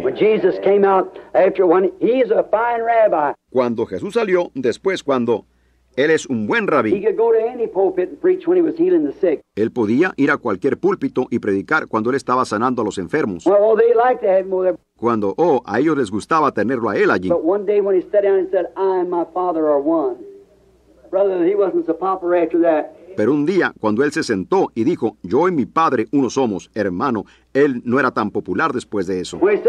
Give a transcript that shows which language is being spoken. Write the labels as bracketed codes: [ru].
[en] When Jesus came out after one, he's a fine rabbi. [es] Cuando Jesús salió, después cuando él es un buen rabí. [en] He could go to any pulpit and preach when he was healing the sick. [es] Él podía ir a cualquier púlpito y predicar cuando él estaba sanando a los enfermos. [en] Well, they liked to have him there. [es] Cuando, a ellos les gustaba tenerlo a él allí. [en] But one day when he sat down and said, I and my father are one. Brother, he wasn't so popular after that. [es] Pero un día, cuando él se sentó y dijo, yo y mi padre uno somos, hermano, él no era tan popular después de eso.